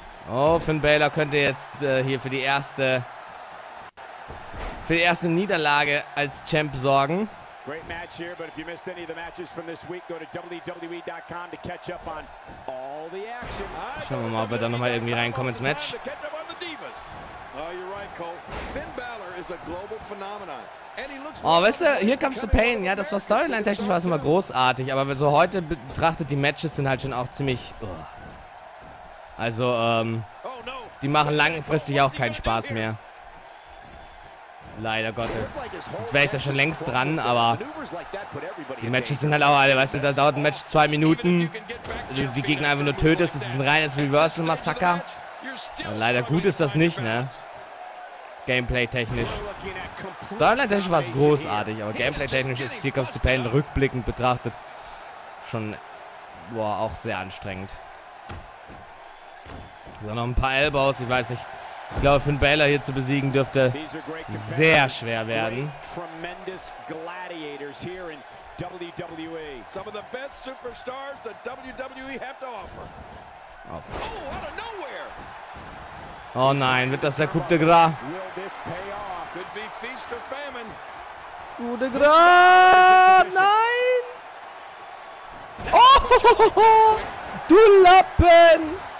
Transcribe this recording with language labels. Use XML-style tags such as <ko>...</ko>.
<de>Oh, Finn Balor könnte jetzt hier für die erste Niederlage als Champ sorgen.</de> <en>Great match here, but if you missed any of the matches from this week, go to WWE.com to catch up on all the action.</en> <de>Schauen wir mal, ob wir da nochmal irgendwie reinkommen ins Match.</de> <en>Oh, you're right, Cole. Finn Balor is a global phenomenon.</en> <de>Oh, weißt du,</de> <en>hier comes the pain.</en> <de>Ja, das war storyline-technisch, war es immer großartig, aber so heute betrachtet, die Matches sind halt schon auch ziemlich. Oh. Also, die machen langfristig auch keinen Spaß mehr. Leider Gottes. Sonst wäre ich da schon längst dran, aber die Matches sind halt auch alle, weißt du, da dauert ein Match 2 Minuten, wenn du die Gegner einfach nur tötest, das ist ein reines Reversal-Massaker. Und leider gut ist das nicht, ne? Gameplay-technisch. Storyline-technisch war es großartig, aber Gameplay-technisch ist Here Comes the Pain rückblickend betrachtet schon, boah, auch sehr anstrengend. So, noch ein paar Elbows, ich weiß nicht. Ich glaube, Finn Balor hier zu besiegen dürfte sehr schwer werden.</de> <en>Tremendous gladiators here in WWE. Some of the best superstars that WWE have to offer. Oh, out of nowhere.</en> <de>Oh nein, wird das der Coup de Grâce?</de> <en>Could be feast or famine.</en> <de>Coup de Grâce! Nein! Oh! Du Lappen!</de>